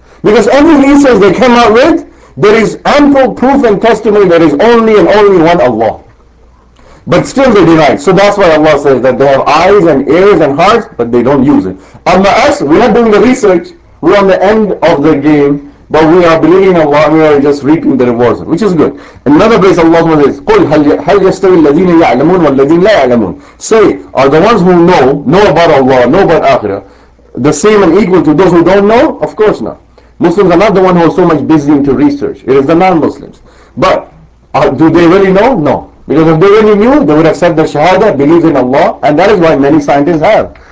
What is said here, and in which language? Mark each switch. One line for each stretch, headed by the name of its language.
English: Because every research they came out with, there is ample proof and testimony that is only and only one Allah. But still they deny it. So that's why Allah says that they have eyes and ears and hearts, but they don't use it. Amma us, we are doing the research, we are on the end of the game, but we are believing Allah, we are just reaping the rewards, which is good. Another place Allah says,
Arabic: قُلْ هَلْ يَسْتَوِي الَّذِينَ يَعْلَمُونَ وَالَّذِينَ لَا يَعْلَمُونَ.
English: Say, are the ones who know about Allah, know about Akhirah, the same and equal to those who don't know? Of course not. Muslims are not the ones who are so much busy into research. It is the non-Muslims. But do they really know? No. Because if they really knew, they would accept the Shahada, believe in Allah, and that is why many scientists have.